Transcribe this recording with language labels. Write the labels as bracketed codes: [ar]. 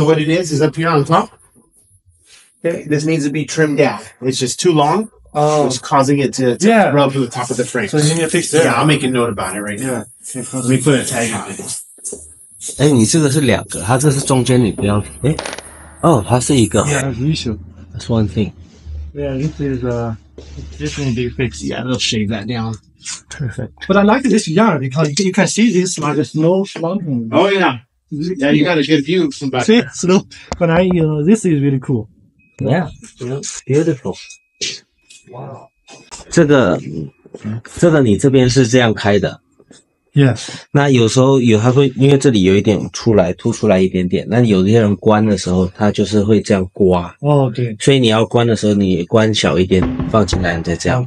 [en] Oh, I'm glad you did that. So, what it is up here on top. Okay, this needs to be trimmed down. It's just too long. Oh. It's causing it to yeah. rub to the top of the frame. So, you need to fix that. Yeah, I'll make a note about it right now. Yeah. Let me put a tag on it. [zh] 哎，你这个是两个，它这是中间，你不要。哎，哦，它是一个。 [en] Yeah, that's an issue. That's one thing. Yeah, this is a definitely big fix. Yeah, it'll shave that down. Perfect. But I like this yard because you can see this like snow slumping. Oh yeah. Yeah, you got a good view from back. See, snow. But I, you know, this is really cool. Yeah. Yeah. Beautiful. Wow. [zh] 这个，这个你这边是这样开的。 [en] Yes. [zh] 那有时候有他会因为这里有一点出来凸出来一点点，那有些人关的时候他就是会这样刮。哦、oh, 对。所以你要关的时候你关小一点放进来再这样。